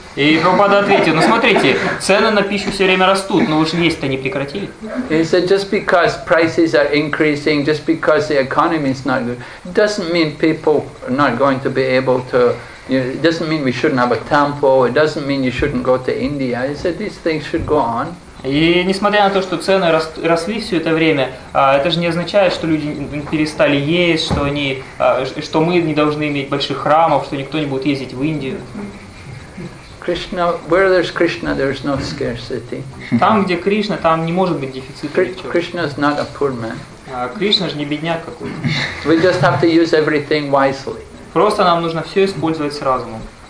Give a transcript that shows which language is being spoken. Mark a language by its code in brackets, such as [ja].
[ru] И Прабхупада ответил, ну смотрите, цены на пищу все время растут, но вы же есть-то не прекратили. [en] He said, just because prices are increasing, just because the economy is not good, doesn't mean people are not going to be able to, you know, it doesn't mean we shouldn't have a temple, it doesn't mean you shouldn't go to India. He said, these things should go on. [ru] И несмотря на то, что цены росли все это время, это же не означает, что люди перестали есть, что они, что мы не должны иметь больших храмов, что никто не будет ездить в Индию. [en] Krishna, where there's Krishna, there's no scarcity. [ru] Там, где Кришна, там не может быть дефицита ничего. [en] Krishna is not a poor man. [ru] Кришна же не бедняк какой-то. [en] We just have to use everything wisely. [ru] Просто нам нужно все использовать с разумом.